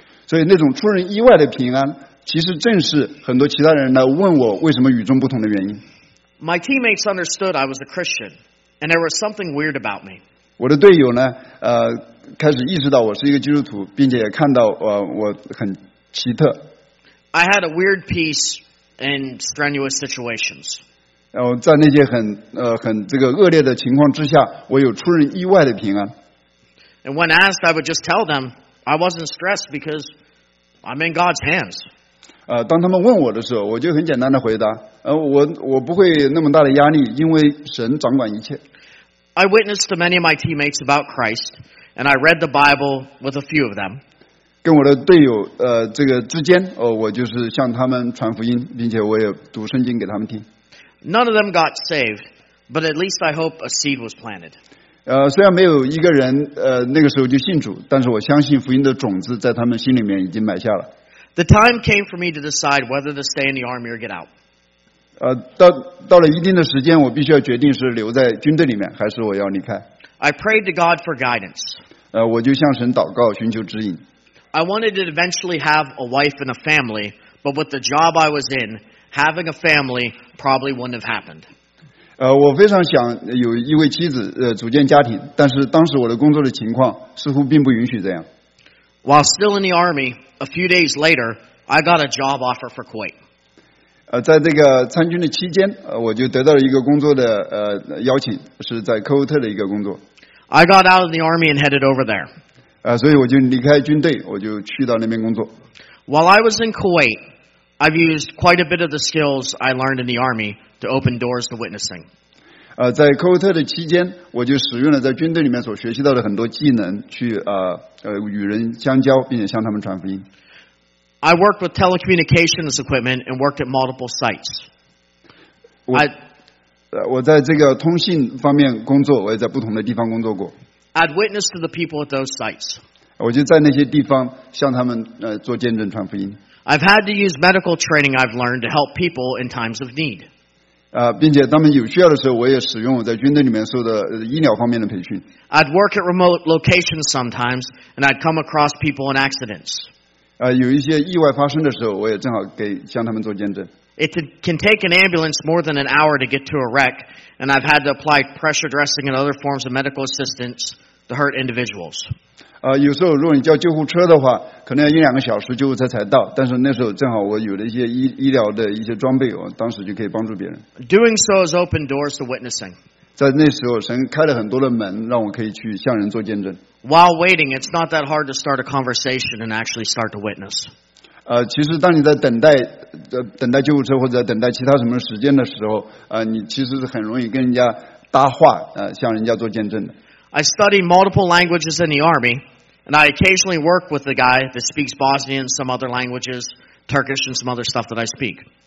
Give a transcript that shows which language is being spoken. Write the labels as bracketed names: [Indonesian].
[Chinese] 所以那种出人意外的平安，其实正是很多其他人来问我为什么与众不同的原因。 [English] My teammates understood I was a Christian, and there was something weird about me. [Chinese] 我的队友呢，开始意识到我是一个基督徒，并且看到我很奇特。 [English] I had a weird peace in strenuous situations. [Chinese] 在那些很这个恶劣的情况之下，我有出人意外的平安。 [English] And when asked, I would just tell them I wasn't stressed because I'm in God's hands. [Chinese] 当他们问我的时候，我就很简单的回答，我不会那么大的压力，因为神掌管一切。 [English] I witnessed to many of my teammates about Christ, and I read the Bible with a few of them. [Chinese] 跟我的队友这个之间我就是向他们传福音，并且我也读圣经给他们听。 [English] None of them got saved, but at least I hope a seed was planted. [Chinese] 虽然没有一个人那个时候就信主，但是我相信福音的种子在他们心里面已经埋下了。 [English] The time came for me to decide whether to stay in the army or get out. [Chinese] 到了一定的时间，我必须要决定是留在军队里面，还是我要离开。 [English] I prayed to God for guidance. [Chinese] 我就向神祷告，寻求指引。 [English] I wanted to eventually have a wife and a family, but with the job I was in, having a family probably wouldn't have happened. [Chinese] 我非常想有一位妻子组建家庭，但是当时我的工作的情况似乎并不允许这样。 [English] While still in the army, a few days later, I got a job offer for Kuwait. [Chinese] 在这个参军的期间，我就得到了一个工作的邀请，是在科威特的一个工作。 [English] I got out of the army and headed over there. [Chinese] 所以我就离开军队，我就去到那边工作。 [English] While I was in Kuwait, I've used quite a bit of the skills I learned in the army to open doors to witnessing. [Chinese] 在科威特的期间，我就使用了在军队里面所学习到的很多技能去与人相交，并且向他们传福音。 [English] I worked with telecommunications equipment and worked at multiple sites. [Chinese] 我在这个通信方面工作，我也在不同的地方工作过。 [English] I'd witness to the people at those sites. [Chinese] 我就在那些地方向他们做见证传福音。 [English] I've had to use medical training I've learned to help people in times of need. [Chinese] 并且他们有需要的时候，我也使用我在军队里面受的医疗方面的培训。 [English] I'd work at remote locations sometimes, and I'd come across people in accidents. [Chinese] 有一些意外发生的时候，我也正好向他们做见证。 [English] It can take an ambulance more than an hour to get to a wreck, and I've had to apply pressure dressing and other forms of medical assistance to hurt individuals. [Chinese] 有时候如果你叫救护车的话，可能要一两个小时救护车才到，但是那时候正好我有了一些医疗的一些装备，我当时就可以帮助别人。 [English] Doing so has opened doors to witnessing. [Chinese] 在那时候神开了很多的门，让我可以去向人做见证。 [English] While waiting, it's not that hard to start a conversation and actually start to witness. [Chinese] 其实当你在等待救护车或者等待其他什么时间的时候，你其实是很容易跟人家搭话，向人家做见证的。 [English] I studied multiple languages in the army, and I occasionally work with the guy that speaks Bosnian, some other languages, Turkish, and some other stuff that I speak.